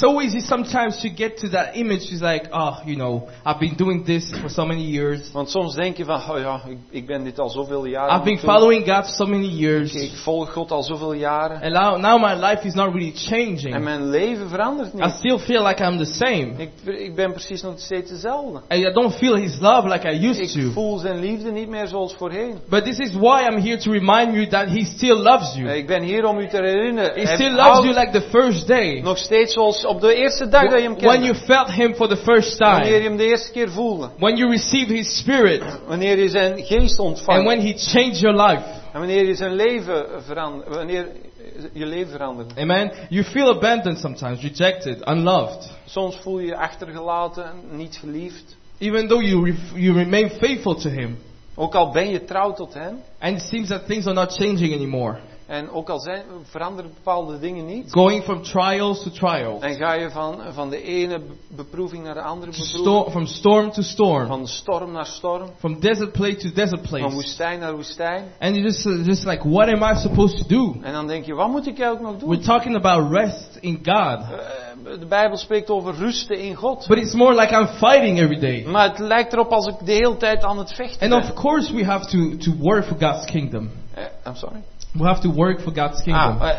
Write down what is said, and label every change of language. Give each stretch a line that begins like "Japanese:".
English: Because it's so easy sometimes to get to that image. It's like, oh, you know, I've been doing this for so many years.
Dutch: Want soms denk je van, oh ja, ik ben dit al zoveel jaren.
English: I've been following God so many years.
Dutch: Ik volg God al zoveel jaren.
English: And now my life is not really changing.
Dutch: En mijn leven verandert niet.
English: I still feel like I'm the same.
Dutch: Ik ben precies nog steeds dezelfde.
English: And I don't feel his love like I used
Dutch: ik
English: to.
Dutch: Ik voel zijn liefde niet meer zoals voorheen.
English: But this is why I'm here to remind you that he still loves you.
Dutch: Ik ben hier om u te herinneren.
English: He still loves you like the first day.
Dutch: Nog steeds zoals op de eerste dag dat je hem kende.
English: When you felt him for the first time.
Dutch: Wanneer je hem de eerste keer voelde.
English: When you received his spirit.
Dutch: Wanneer je zijn geest ontvangt.
English: And when he changed your life.
Dutch: En wanneer je zijn leven veranderde. Wanneer je leven veranderde.
English: Amen. You feel abandoned sometimes, rejected, unloved.
Dutch: Soms voel je je achtergelaten, niet geliefd.
English: Even though you remain faithful to him.
Dutch: Ook al ben je trouw tot hem.
English: And it seems that things are not changing anymore.
Dutch: En ook al zijn, veranderen bepaalde dingen niet.
English: Going from trials to trials.
Dutch: En ga je van de ene beproeving naar de andere beproeving.
English: From storm to storm.
Dutch: Van storm naar storm.
English: From desert place to desert place.
Dutch: Van woestijn naar woestijn.
English: And you just like, what am I supposed to do?
Dutch: En dan denk je, wat moet ik eigenlijk nog doen?
English: We're talking about rest in God.
Dutch: De Bijbel spreekt over rusten in God.
English: But it's more like I'm fighting every day.
Dutch: Maar het lijkt erop als ik de hele tijd aan het vechten ben.
English: And of course we have to work for God's kingdom. I'm sorry. We have to work for God's kingdom.